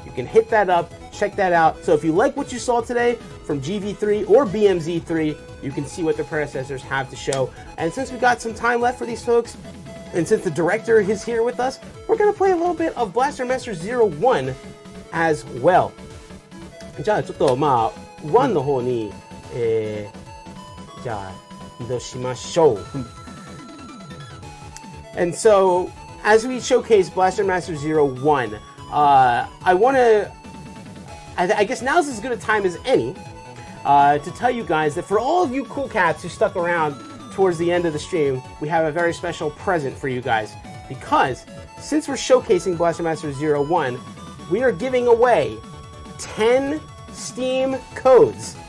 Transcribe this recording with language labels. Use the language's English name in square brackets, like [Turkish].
[English] Can hit that up, check that out. So if you like what you saw today from GV3 or BMZ3, you can see what the predecessors have to show. And since we got some time left for these folks, and since the director is here with us, we're gonna play a little bit of Blaster Master 01 as well. [Japanese] じゃあちょっとまあ1の方に、じゃあ移動しましょう。 [English] And so as we showcase Blaster Master 01,I want to, I guess now's as good a time as any, to tell you guys that for all of you cool cats who stuck around towards the end of the stream, we have a very special present for you guys, because since we're showcasing Blaster Master 01, we are giving away 10 Steam codes.